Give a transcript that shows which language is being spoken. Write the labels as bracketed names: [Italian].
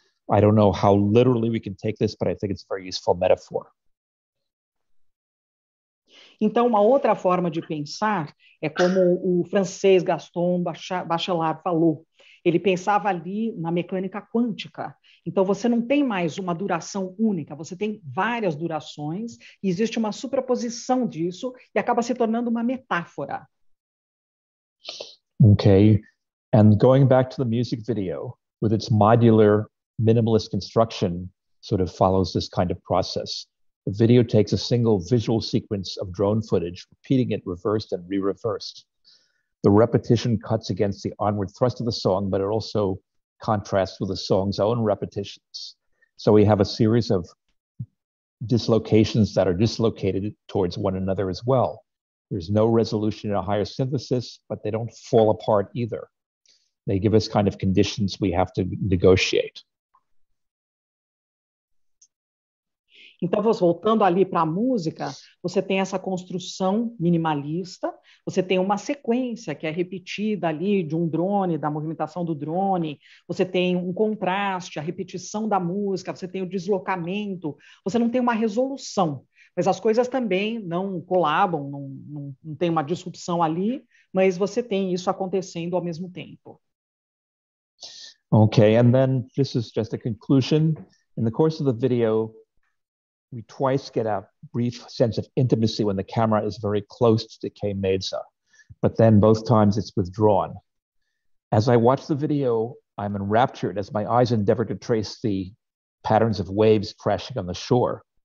[English] I don't know how literally we can take this, but I think it's a very useful metaphor. [Portuguese] Então, uma outra forma de pensar é como o francês Gaston Bachelard falou. Ele pensava ali na mecânica quântica. Então, você não tem mais uma duração única, você tem várias durações, e existe uma superposição disso, e acaba se tornando uma metáfora. [English] Okay. And going back to the music video, with its modular, minimalist construction, sort of follows this kind of process. The video takes a single visual sequence of drone footage, repeating it reversed and re-reversed. The repetition cuts against the onward thrust of the song, but it also contrasts with the song's own repetitions. So we have a series of dislocations that are dislocated towards one another as well. There's no resolution in a higher synthesis, but they don't fall apart either. They give us kind of conditions we have to negotiate. [Portuguese] Então, voltando ali para a música, você tem essa construção minimalista, você tem uma sequência que é repetida ali de um drone, da movimentação do drone, você tem um contraste, a repetição da música, você tem o deslocamento, você não tem uma resolução, mas as coisas também não colabam, não tem uma disrupção ali, mas você tem isso acontecendo ao mesmo tempo. [English] Okay, and then this is just a conclusion. In the course of the video, we twice get a brief sense of intimacy when the camera is very close to Kay Medza, but then both times it's withdrawn. As I watch the video, I'm enraptured as my eyes endeavor to trace the patterns of waves crashing on the shore.